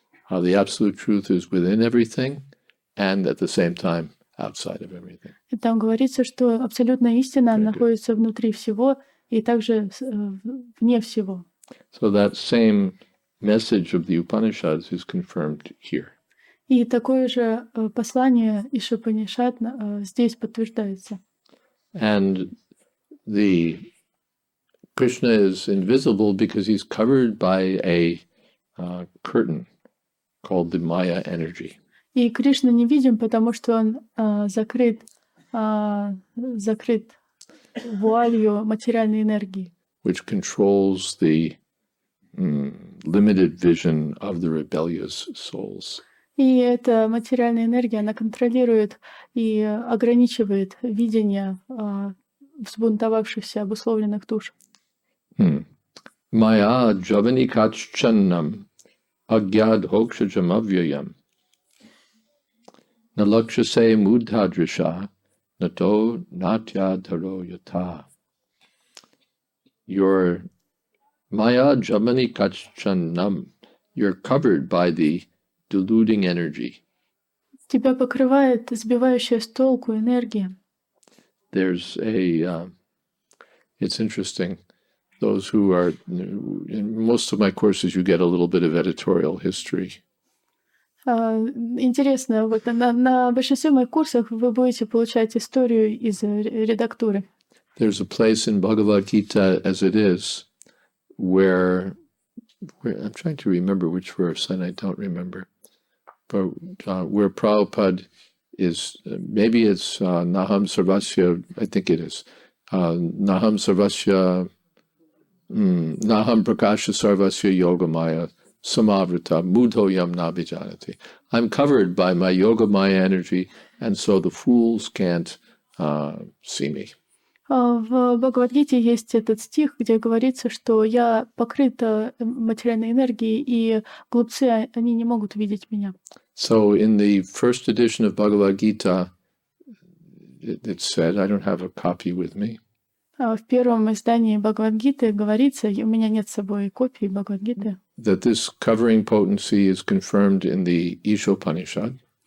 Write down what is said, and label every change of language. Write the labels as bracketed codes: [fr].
[en] The absolute truth is within everything and at the same time outside of everything. [ru] И там говорится, что абсолютная истина находится внутри всего и также вне всего. [en] So that same message of the Upanishads is confirmed here. [ru] И такое же послание из Упанишад здесь подтверждается. [en] And the Krishna is invisible because he's covered by a curtain called the Maya energy. [ru] И Кришна не видим, потому что он закрыт вуалью материальной энергии. [en] Which controls the limited vision of the rebellious souls. [ru] И эта материальная энергия, она контролирует и ограничивает видение взбунтовавшихся, обусловленных душ. [sa] Maya javanikachchannam agyad hokshajam avyayam nalakshase mudhadrisha nato natyadharo yata. [en] Your [sa] Maya Jamani Kachanam, [en] you're covered by the deluding energy. [ru] Тебя покрывает сбивающая с толку энергия. [en] There's a it's interesting. Those who are in most of my courses you get a little bit of editorial history. [ru] Интересно, вот на большинстве моих курсах вы будете получать историю из редактуры. [en] There's a place in Bhagavad Gita as it is. Where I'm trying to remember which verse, and I don't remember, but where Prabhupada is, maybe it's [sa] Naham Sarvasya, I think it is, Naham Sarvasya, Naham Prakasha Sarvasya Yogamaya Samavrita Mudhoyam Nabhijanati. [en] I'm covered by my Yogamaya energy, and so the fools can't see me. [ru] В Бхагавад-гите есть этот стих, где говорится, что я покрыт материальной энергией, и глупцы, они не могут видеть меня. [en] So in the first edition of Bhagavad-gita, it said, I don't have a copy with me. [ru] В первом издании Бхагавад-гиты говорится, у меня нет с собой копии Бхагавад-гиты. [en] That this covering potency is confirmed in the Isha Upanishad.